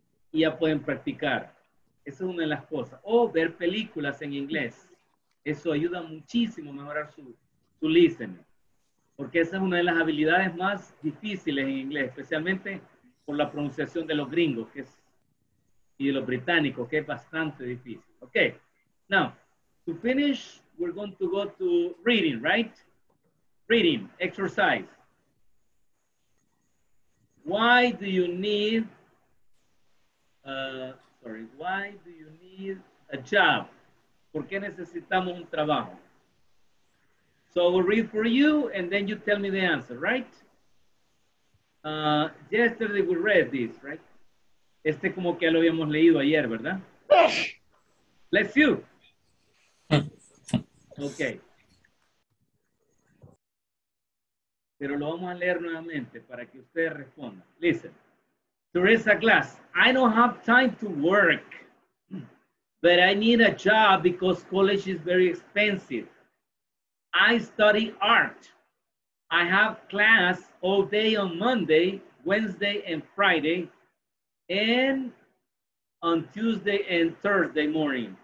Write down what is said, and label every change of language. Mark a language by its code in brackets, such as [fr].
[es] Y ya pueden practicar. Esa es una de las cosas. O ver películas en inglés. Eso ayuda muchísimo a mejorar su listening. Porque esa es una de las habilidades más difíciles en inglés, especialmente por la pronunciación de los gringos, que es, y de los británicos, que es bastante difícil. Ok. [en] Now, to finish, we're going to go to reading, right? Reading, exercise. Why do you need, why do you need a job? [es] ¿Por qué necesitamos un trabajo? [en] So I will read for you, and then you tell me the answer, right? Yesterday we read this, right? [es] Este como que lo habíamos leído ayer, ¿verdad? [en] Bless you. Okay. [es] Pero lo vamos a leer nuevamente para que ustedes respondan. [en] Listen. Teresa Glass, I don't have time to work, but I need a job because college is very expensive. I study art. I have class all day on Monday, Wednesday, and Friday, and on Tuesday and Thursday morning.